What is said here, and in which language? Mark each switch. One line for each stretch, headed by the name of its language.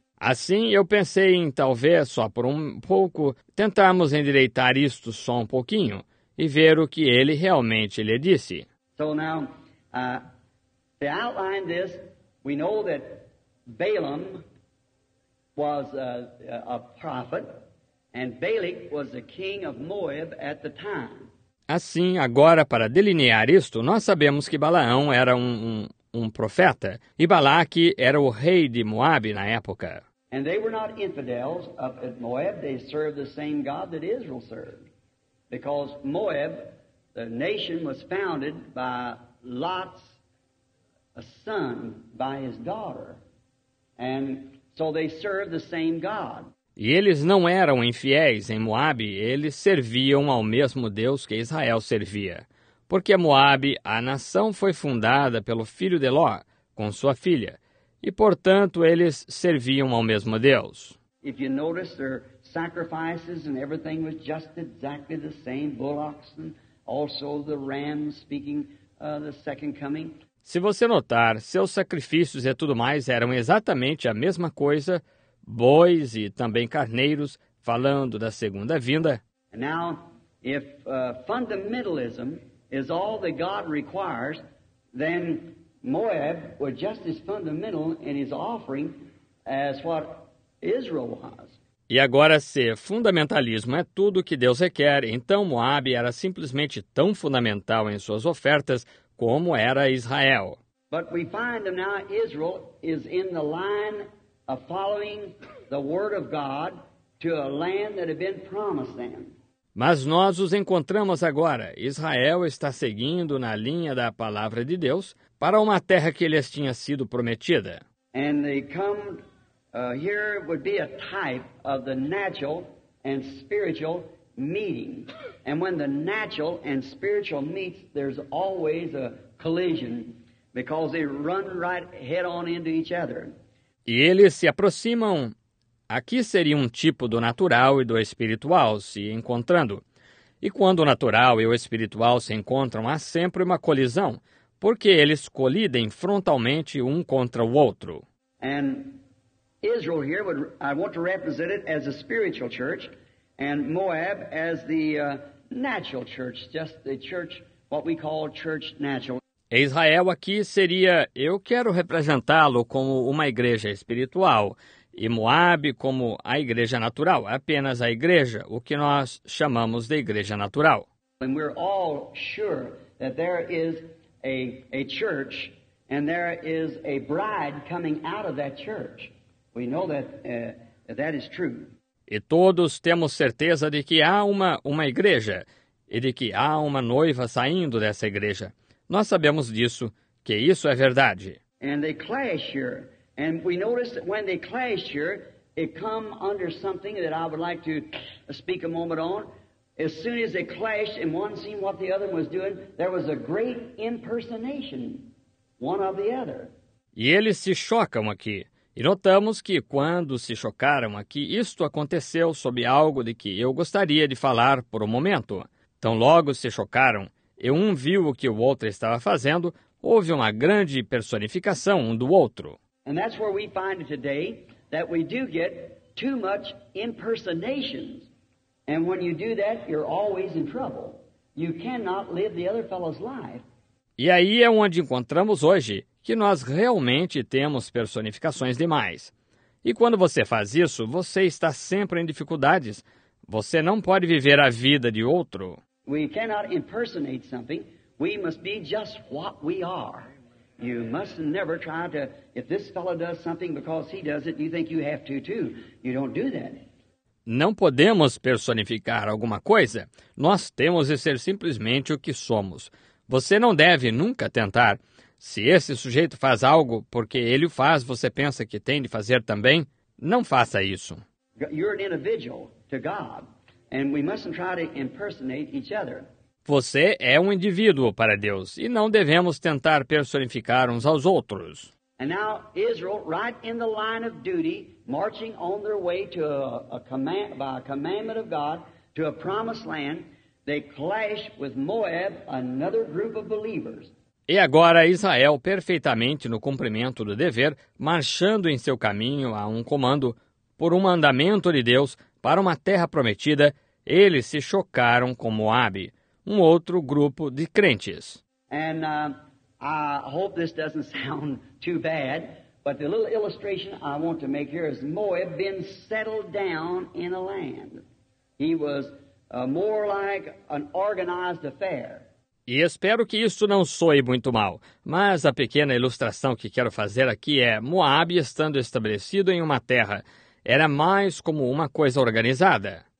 Portuguese: Assim, eu pensei em talvez só por um pouco tentarmos endireitar isto só um pouquinho e ver o que ele realmente lhe disse.
English: So now, to outline this, we know that Balaam was a prophet, and Balak was the king of Moab at the time.
Portuguese: Assim, agora, para delinear isto, nós sabemos que Balaão era um profeta, e Balaque era o rei de Moab na época.
English: And they were not infidels up at Moab. They served the same God that Israel served. Because Moab, the nation, was founded by Lot's a son by his daughter, and so they served the same God.
Portuguese: E eles não eram infiéis em Moab, eles serviam ao mesmo Deus que Israel servia, porque Moab, a nação, foi fundada pelo filho de Ló, com sua filha, e portanto eles serviam ao mesmo Deus.
English: If you notice, their sacrifices and everything was just exactly the same, bullocks and also the rams speaking the second coming.
Portuguese: Se você notar, seus sacrifícios e tudo mais eram exatamente a mesma coisa, bois e também carneiros, falando da segunda vinda.
English: Now, if fundamentalism is all that God requires, then Moab was just as fundamental in his offering as what Israel was.
Portuguese: E agora, se fundamentalismo é tudo o que Deus requer, então Moab era simplesmente tão fundamental em suas ofertas como era Israel.
English: But we find that now Israel is in the line of following the word of God to a land that had been promised them.
Portuguese: Mas nós os encontramos agora. Israel está seguindo na linha da palavra de Deus para uma terra que lhes tinha sido prometida.
English: And they come here would be a type of the natural and spiritual meeting. And when the natural and spiritual meets, there's always a collision because they run right head on into each other.
Portuguese: E eles se aproximam. Aqui seria um tipo do natural e do espiritual se encontrando. E quando o natural e o espiritual se encontram, há sempre uma colisão, porque eles colidem frontalmente um contra o outro.
English: And Israel here, I want to represent it as a spiritual church, and Moab as the natural church, just the church, what we call church natural.
Portuguese: Israel aqui seria, eu quero representá-lo como uma igreja espiritual, e Moab como a igreja natural, apenas a igreja, o que nós chamamos de igreja natural.
English: And we're all sure that there is a church and there is a bride coming out of that church. We know that that is true.
Portuguese: E todos temos certeza de que há uma igreja e de que há uma noiva saindo dessa igreja. Nós sabemos disso, que isso é verdade.
English: And they clash here. And we notice that when they clash here, it come under something that I would like to speak a moment on. As soon as they clashed and one seen what the other was doing, there was a great impersonation, one of the other.
Portuguese: E eles se chocam aqui. E notamos que quando se chocaram aqui, isto aconteceu sob algo de que eu gostaria de falar por um momento. Tão logo se chocaram, e um viu o que o outro estava fazendo, houve uma grande personificação um do outro.
English: And that's where we find it today, that we do get too much impersonations. And when you do that, you're always in trouble. You cannot live the other fellow's life.
Portuguese: E aí é onde encontramos hoje, que nós realmente temos personificações demais. E quando você faz isso, você está sempre em dificuldades. Você não pode viver a vida de outro.
English: We cannot impersonate something. We must be just what we are. You must never try to, if this fellow does something because he does it, you think you have to too. You don't do that.
Portuguese: Não podemos personificar alguma coisa. Nós temos de ser simplesmente o que somos. Você não deve nunca tentar. Se esse sujeito faz algo porque ele o faz, você pensa que tem de fazer também? Não faça isso.
English: You're an individual to God, and we mustn't try to impersonate each other.
Portuguese: Você é um indivíduo para Deus, e não devemos tentar personificar uns aos outros.
English: And now Israel, right in the line of duty, marching on their way to a command, by a commandment of God, to a promised land, they clash with Moab, another group of believers.
Portuguese: E agora Israel, perfeitamente no cumprimento do dever, marchando em seu caminho a um comando, por um mandamento de Deus, para uma terra prometida, eles se chocaram com Moab, um outro grupo de crentes.
English: And I hope this doesn't sound too bad, but the little illustration I want to make here is Moab been settled down in a land. He was more like an organized affair.
Portuguese: E espero que isso não soe muito mal, mas a pequena ilustração que quero fazer aqui é Moab estando estabelecido em uma terra. Era mais como uma coisa organizada.